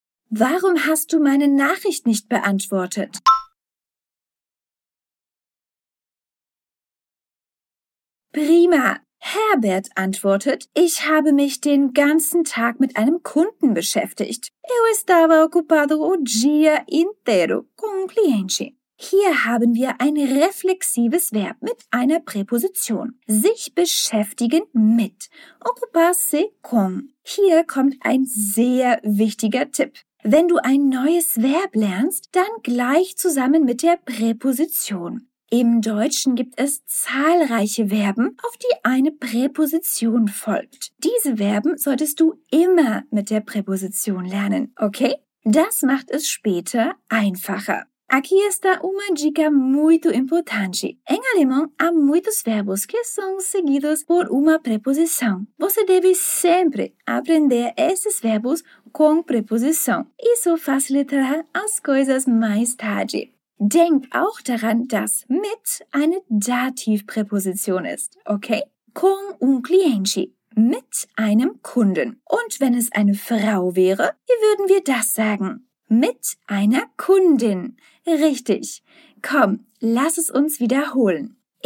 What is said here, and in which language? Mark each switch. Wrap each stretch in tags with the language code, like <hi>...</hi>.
<de>Warum hast du meine Nachricht nicht beantwortet? Prima. Herbert antwortet: Ich habe mich den ganzen Tag mit einem Kunden beschäftigt.</de> <pt>Eu estava ocupado o dia inteiro com um cliente.</pt> <de>Hier haben wir ein reflexives Verb mit einer Präposition. Sich beschäftigen mit.</de> <pt>Ocuparse com.</pt> <de>Hier kommt ein sehr wichtiger Tipp. Wenn du ein neues Verb lernst, dann gleich zusammen mit der Präposition. Im Deutschen gibt es zahlreiche Verben, auf die eine Präposition folgt. Diese Verben solltest du immer mit der Präposition lernen, okay? Das macht es später einfacher.</de> <pt>Aqui está uma dica muito importante. Em alemão, há muitos verbos que são seguidos por uma preposição. Você deve sempre aprender esses verbos com preposição. Isso facilitará as coisas mais tarde.</pt> <de>Denk auch daran, dass mit eine Dativpräposition ist, okay?</de> <pt>Con un cliente,</pt> <de>mit einem Kunden. Und wenn es eine Frau wäre, wie würden wir das sagen? Mit einer Kundin. Richtig. Komm, lass es uns wiederholen.</de>